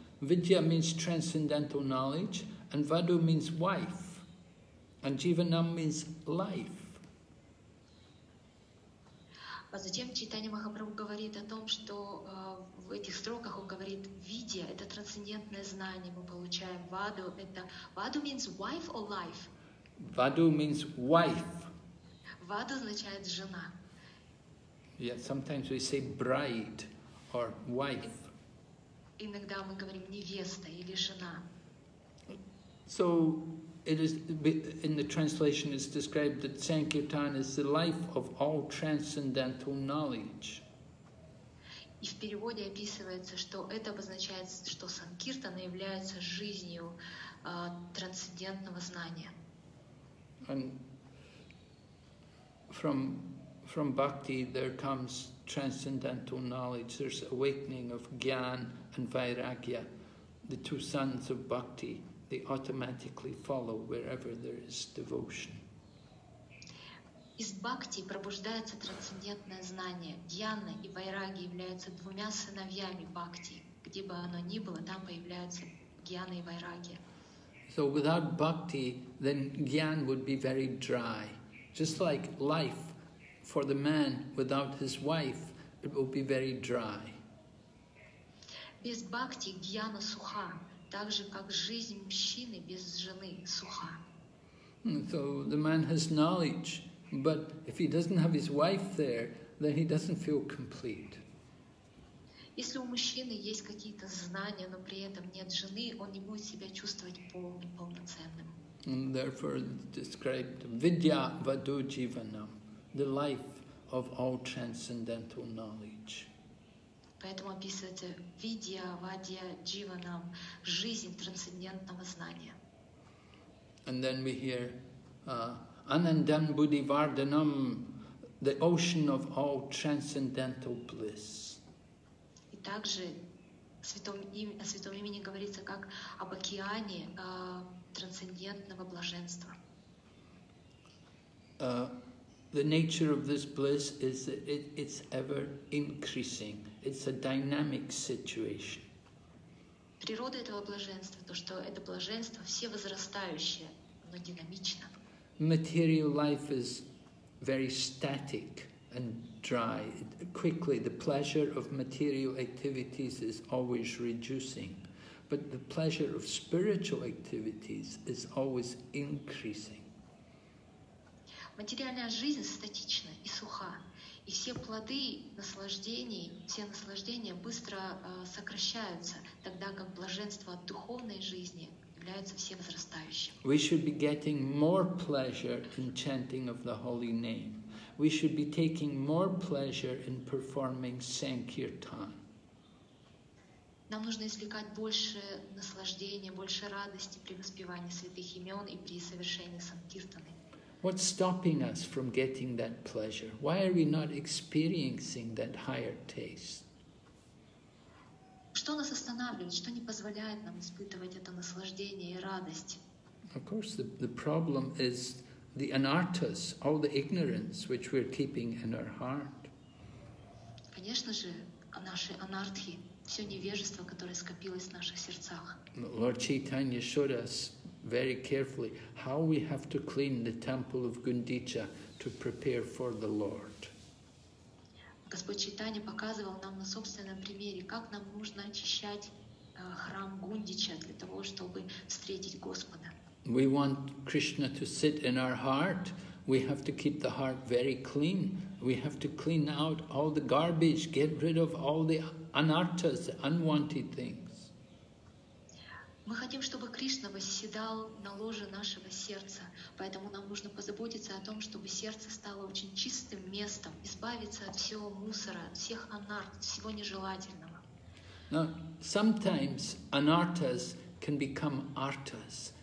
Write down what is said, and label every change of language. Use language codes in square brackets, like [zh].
[en] Vidya means transcendental knowledge, and Vadu means wife. And Jivanam means life. [ru] А затем Чайтанья Махапрабху говорит о том, что в этих строках он говорит, Видья — это трансцендентное знание, мы получаем Ваду. Это [en] Ваду means wife or life? Ваду means wife. [ru] Ваду означает жена. [en] Yeah, sometimes we say bride or wife. [ru] Иногда мы говорим невеста или жена. [en] So it is in the translation it's described that Sankirtan is the life of all transcendental knowledge. И в переводе описывается, что это обозначает, что Санкиртана является жизнью трансцендентного знания. And from bhakti there comes transcendental knowledge, there's awakening of jnana and vairagya, the two sons of bhakti. They automatically follow wherever there is devotion. [ru] Из бхакти пробуждается трансцендентное знание. Джняна и вайраги являются двумя сыновьями бхакти. Где бы оно ни было, там появляются джняна и вайраги. [en] So without bhakti, then jnana would be very dry. Just like life for the man without his wife, it will be very dry. [ru] Без бхакти джняна суха. Так же, как жизнь мужчины без жены суха. [en] So the man has knowledge, but if he doesn't have his wife there, then he doesn't feel complete. [ru] Если у мужчины есть какие-то знания, но при этом нет жены, он не будет себя чувствовать полноценным. [en] And therefore described [sa] Vidya Vadu Jivanam, [en] the life of all transcendental knowledge. [ru] Поэтому описывается Видья, Вадья, Дживанам, жизнь трансцендентного знания. [en] And then we hear [sa] Анандан Будди Варданам, [en] the ocean of all transcendental bliss. [ru] И также о святом имени говорится как об океане трансцендентного блаженства. [en] The nature of this bliss is that it's ever increasing. It's a dynamic situation. [ru] Природа этого блаженства, то, что это блаженство все возрастающее, оно динамично. [en] Material life is very static and dry. Quickly, the pleasure of material activities is always reducing, but the pleasure of spiritual activities is always increasing. [ru] Материальная жизнь статична и суха. И все плоды наслаждений, все наслаждения быстро сокращаются, тогда как блаженство от духовной жизни является все возрастающим. [en] We should be getting more pleasure in chanting of the holy name. We should be taking more pleasure in performing Sankirtan. [ru] Нам нужно извлекать больше наслаждения, больше радости при воспевании святых имен и при совершении Санкиртаны. [en] What's stopping us from getting that pleasure? Why are we not experiencing that higher taste? [ru] Что нас останавливает? Что не позволяет нам испытывать это наслаждение и радость? [en] Of course, the problem is the anartas, all the ignorance which we're keeping in our heart. [ru] Конечно же, наши анартхи, все невежество, которое скопилось в наших сердцах. [en] Lord Chaitanya showed us very carefully how we have to clean the temple of Gundicha to prepare for the Lord. [ru] Господь Чайтанья показывал нам на собственном примере, как нам нужно очищать храм Гундича для того, чтобы встретить Господа. [en] We want Krishna to sit in our heart. We have to keep the heart very clean. We have to clean out all the garbage, get rid of all the anarthas, the unwanted things. [ru] Мы хотим, чтобы Кришна восседал на ложе нашего сердца, поэтому нам нужно позаботиться о том, чтобы сердце стало очень чистым местом, избавиться от всего мусора, от всех анарт, всего нежелательного. [en] Now, sometimes anarthas can become arthas.